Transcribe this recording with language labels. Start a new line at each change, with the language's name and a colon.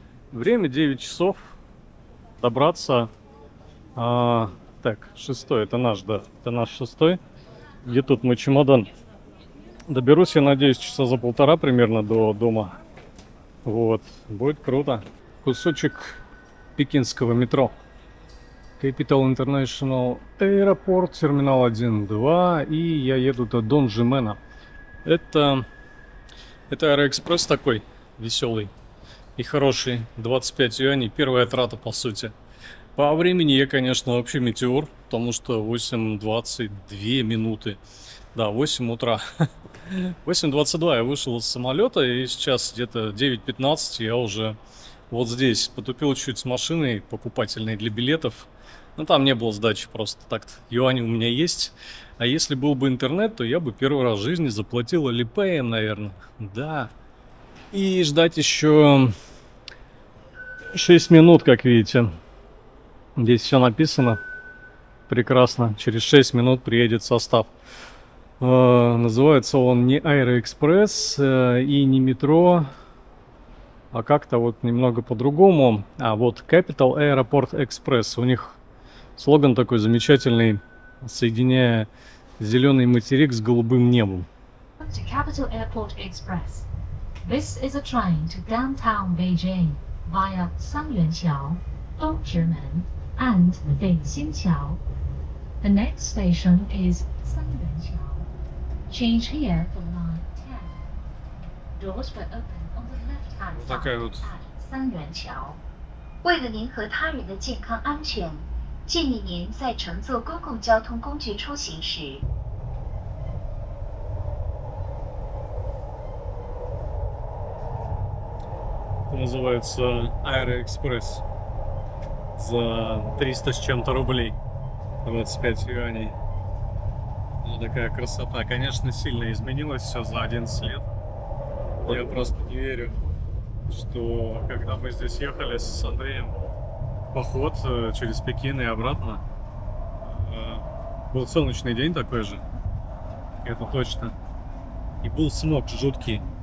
Russian: Время 9 часов. Добраться... Так, шестой, это наш, да, это наш шестой. Где тут мой чемодан? Доберусь, я надеюсь, часа за полтора примерно до дома. Вот, будет круто. Кусочек пекинского метро. Capital International Airport, терминал 1-2. И я еду до Донжимена. Это Аэроэкспресс такой веселый и хороший. 25 юаней, первая трата по сути. По времени я, конечно, вообще метеор, потому что 8.22 минуты. Да, 8 утра. 8.22 я вышел из самолета, и сейчас где-то 9.15 я уже вот здесь. Потупил чуть с машиной покупательной для билетов. Но там не было сдачи, просто так-то юань у меня есть. А если был бы интернет, то я бы первый раз в жизни заплатил Alipay, наверное. Да. И ждать еще 6 минут, как видите. Здесь все написано прекрасно. Через 6 минут приедет состав. Называется он не Аэроэкспресс и не метро, а как-то вот немного по-другому. А вот Capital Airport Express. У них слоган такой замечательный, соединяя зеленый материк с голубым небом.
English: Capital Airport Express. This is a train to downtown Beijing via Sanyuanqiao, Dongzhimen. And Beixinqiao. The next station is Sanyuanqiao. Change here for line 10. Doors were open on the left-hand side at Sanyuanqiao.
Chinese: 为了您和他人的健康安全, 建议您在乘坐公共交通工具出行时.
Russian: штука называется AeroExpress за 300 с чем-то рублей, 25 юаней. Ну, такая красота. Конечно, сильно изменилось все за 11 лет. Я просто не верю, что когда мы здесь ехали с Андреем в поход через Пекин и обратно, был солнечный день такой же, это точно, и был смог жуткий.